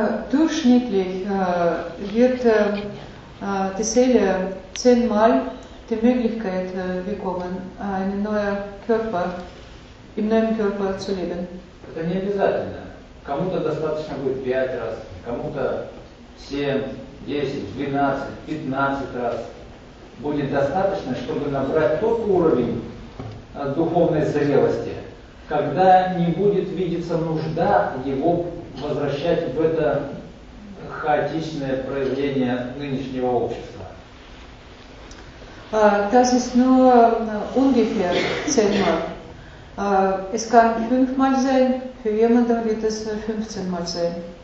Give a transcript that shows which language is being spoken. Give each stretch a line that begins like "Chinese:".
German: Durchschnittlich wird die Seele 10-mal die Möglichkeit bekommen, einen neuen Körper, im neuen Körper zu leben.
Russian: Это не обязательно. Кому-то достаточно будет 5 раз, кому-то 7, 10, 12, 15 раз. Будет достаточно, чтобы набрать тот уровень духовной зрелости, когда не будет видеться нужда его возвращать в это хаотичное проявление нынешнего общества.
German: Das ist nur ungefähr 10-mal. Es kann 5-mal sein, für jemanden wird es 15-mal sein.